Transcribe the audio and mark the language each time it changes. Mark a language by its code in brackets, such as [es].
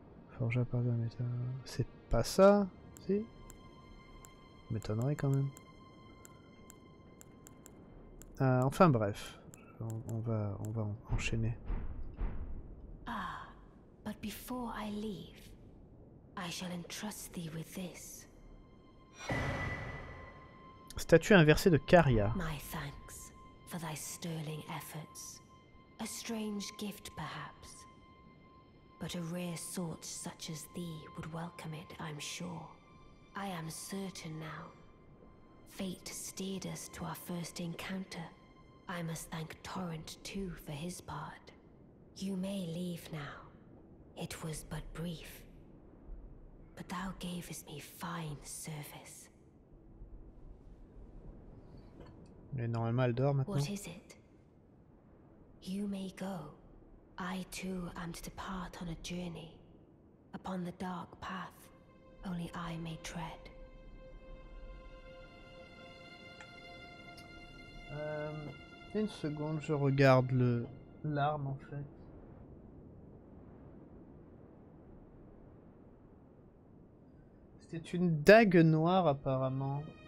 [fr] Forge à part de métal. C'est pas ça, si. M'étonnerait quand même. Enfin bref, on va enchaîner. [en] Ah, but before I leave, I shall entrust thee with this. [fr] Statue inversée de Caria. [en] My thanks for thy sterling efforts. A strange gift perhaps, but a rare sort such as thee would welcome it, I'm sure. I am certain now. Fate steered us to our first encounter. I must thank Torrent too for his part. You may leave now. It was but brief. But thou gavest me fine service. [fr] Mais normalement elle dort maintenant. [en] What is it? You may go. I too am to depart on a journey. Upon the dark path only I may tread. [fr] Une seconde, je regarde le l'arme en fait. C'est une dague noire apparemment.